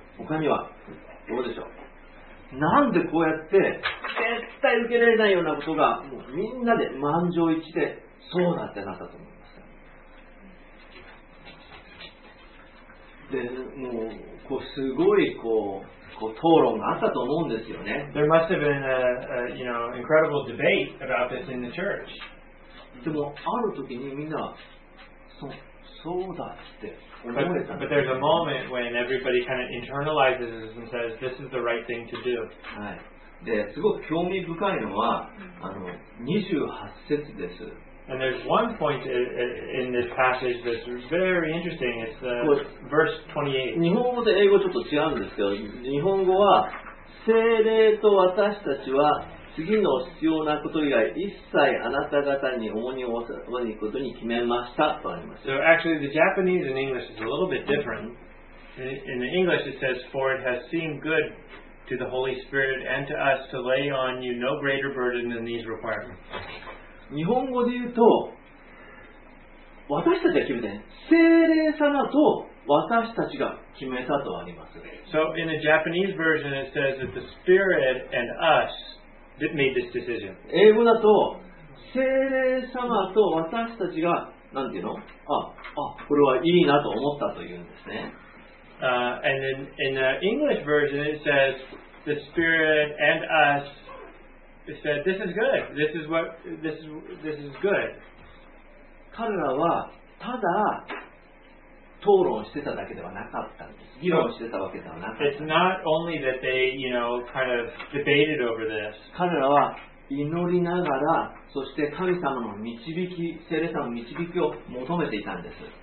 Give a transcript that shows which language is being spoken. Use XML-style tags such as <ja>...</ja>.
<ja>他にはどうでしょう。なんでこうやって絶対受けられないようなことがもうみんなで満場一致でそうなってなったと思いますか。で、もうこうすごいこう討論があったと思うんですよね。</ja> <en>There must have been a you know incredible debate about this in the church.</en> <ja>でもある時にみんなそうだって思えたんです。</ja> <en>But there's a moment when everybody kind of internalizes this and says this is the right thing to do.</en> <ja>はい。で、すごく興味深いのは28節です。</ja> <en>And there's one point in this passage that's very interesting. It's verse 28.</en> <ja>日本語と英語ちょっと違うんですけど、日本語は聖霊と私たちは次の必要なこと以外一切あなた方に重荷を負わないことに決めましたとあります。</ja> <en>So actually the Japanese and English is a little bit different. In the English it says, For it has seemed good to the Holy Spirit and to us to lay on you no greater burden than these requirements.</en> <ja>日本語で言うと、私たちが決めて、聖霊様と私たちが決めたとあります。</ja> <en>So in the Japanese version it says that the Spirit and us It made this decision.</en> <ja>英語だと聖霊様と私たちがなんていうの、これはいいなと思ったというんですね。</ja> <en>And then in the English version, it says the Spirit and us said this is good. This is good.</en> <ja>彼らはただ討論してただけではなかったんです。議論してたわけではなかった。</ja> <en>It's not only that they, you know, kind of debated over this.</en> <ja>彼らは祈りながら、そして神様の導き、聖霊様の導きを求めていたんです。</ja>